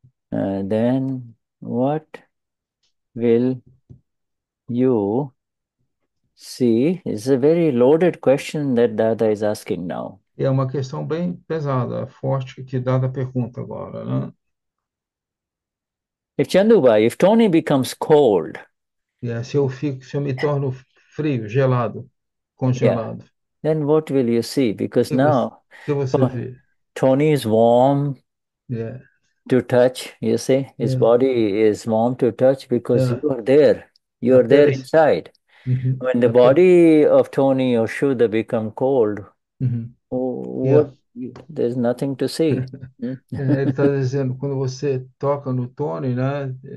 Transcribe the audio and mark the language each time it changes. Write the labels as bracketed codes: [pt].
[en] Then what will you see, it's a very loaded question that Dada is asking now. [pt] É uma questão bem pesada, forte, que dada a pergunta agora, né? [en] If Chandubai, if Tony becomes cold, [pt] Se eu me torno frio, gelado, congelado, [en] then what will you see? Because [pt] o [en] now [pt] que você vê? [en] Tony is warm to touch, you see, his body is warm to touch because you are there inside. When the body of Tony or Shuddha become cold, what there's nothing to see. [pt] Ele está dizendo, quando você toca no Tony, né?